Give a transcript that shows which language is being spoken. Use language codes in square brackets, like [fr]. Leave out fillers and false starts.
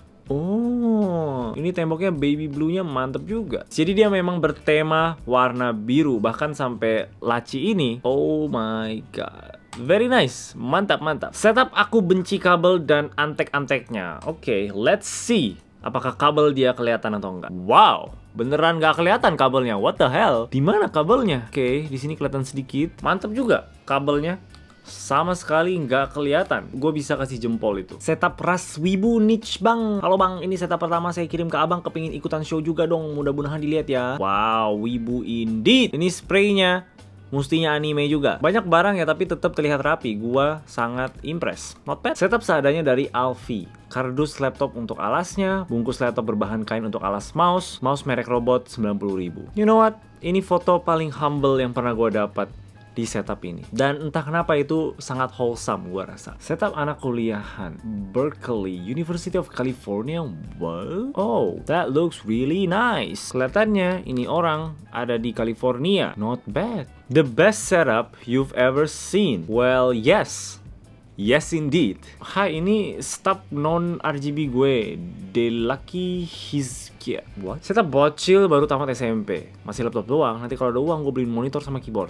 [id] Oh, ini temboknya baby blue-nya mantep juga. Jadi dia memang bertema warna biru, bahkan sampai laci ini. [en] Oh my god, very nice, mantap. [id] Setup aku benci kabel dan antek-anteknya. [en] Okay, let's see [id] apakah kabel dia kelihatan atau enggak. Wow, Beneran gak kelihatan kabelnya. [en] What the hell? [id] Di mana kabelnya? Oke, di sini kelihatan sedikit. Mantap juga kabelnya. Sama sekali nggak kelihatan. Gue bisa kasih jempol itu. Setup Ras Wibu Niche Bang. Halo Bang, ini setup pertama saya kirim ke Abang. Kepingin ikutan show juga dong. Mudah-mudahan dilihat ya. [en] Wow, Wibu indeed. [id] Ini spraynya. Mustinya anime juga. Banyak barang ya, tapi tetap terlihat rapi. Gue sangat impress. [en] Not bad. [id] Setup seadanya dari Alfi. Kardus laptop untuk alasnya. Bungkus laptop berbahan kain untuk alas mouse. Mouse merek robot 90.000. [en] You know what? [id] Ini foto paling humble yang pernah gue dapat di setup ini. Dan entah kenapa itu sangat wholesome gua rasa. Setup anak kuliahan Berkeley University of California. [en] What? Oh, that looks really nice. [id] Kelihatannya ini orang ada di California. [en] Not bad. The best setup you've ever seen. Well, yes. Yes indeed. [id] Hai, ini staff non RGB gue, The Lucky Hizkia. [en] What? [id] Setup bocil baru tamat SMP. Masih laptop doang. Nanti kalau ada uang gue beliin monitor sama keyboard.